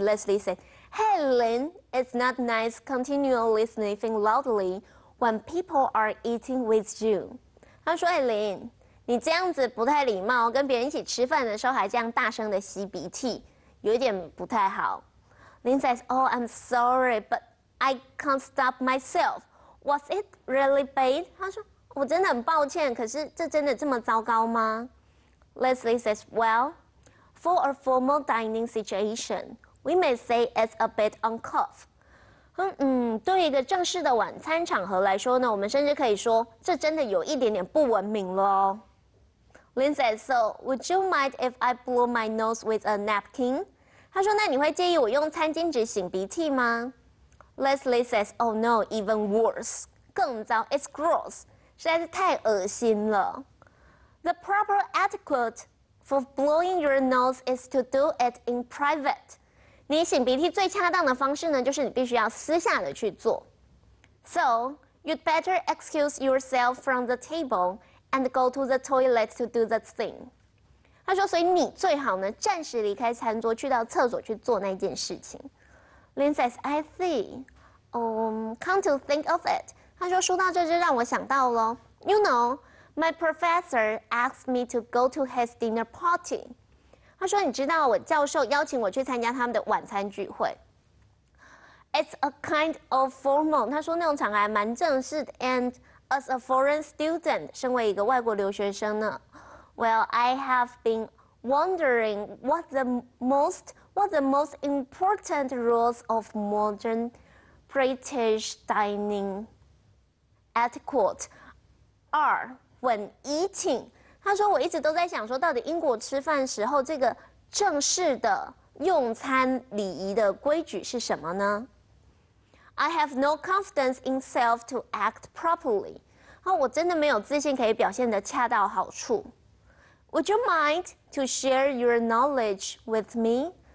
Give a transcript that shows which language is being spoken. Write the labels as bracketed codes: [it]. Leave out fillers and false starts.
[en] Leslie said, "Hey, Lynn, it's not nice continually sniffing loudly when people are eating with you." [zh] 他说，哎 ，Lynn。你这样子不太礼貌，跟别人一起吃饭的时候还这样大声的吸鼻涕，有一点不太好。 [en] Lynn says, "Oh, I'm sorry, but I can't stop myself. Was it really bad?" [zh] 他说，我真的很抱歉，可是这真的这么糟糕吗 [en] ？Leslie says, "Well, for a formal dining situation, we may say it's a bit uncouth." [zh] 对一个正式的晚餐场合来说呢，我们甚至可以说这真的有一点点不文明了哦。 [en] Lynn says, "So, would you mind if I blow my nose with a napkin?" [zh] 他说，那你会介意我用餐巾纸擤鼻涕吗 ？ [en] Leslie says, "Oh no, even worse. [zh] 更糟 ， [en] It's gross. [zh] 实在是太恶心了。 [en] The proper etiquette for blowing your nose is to do it in private. [zh] 你擤鼻涕最恰当的方式呢，就是你必须要私下的去做。 [en] So, you'd better excuse yourself from the table. And go to the toilet to do the thing. [zh] 他说，所以你最好呢，暂时离开餐桌，去到厕所去做那件事情。 [en] Lynn says, "I see. Come to think of it." [zh] 他说，说到这就让我想到了。 [en] You know, my professor asked me to go to his dinner party. [zh] 他说，你知道我教授邀请我去参加他们的晚餐聚会。 [en] It's a kind of formal. [zh] 他说，那种场合还蛮正式的 [en] and. As a foreign student, [zh] 身为一个外国留学生呢 [en] ，Well, I have been wondering what the most important rules of modern British dining etiquette are when eating. [zh] 他说，我一直都在想说，到底英国吃饭时候这个正式的用餐礼仪的规矩是什么呢 ？ [en] I have no confidence in self to act properly. [zh] 我真的没有自信可以表现得恰到好处。 [en] Would you mind to share your knowledge with me?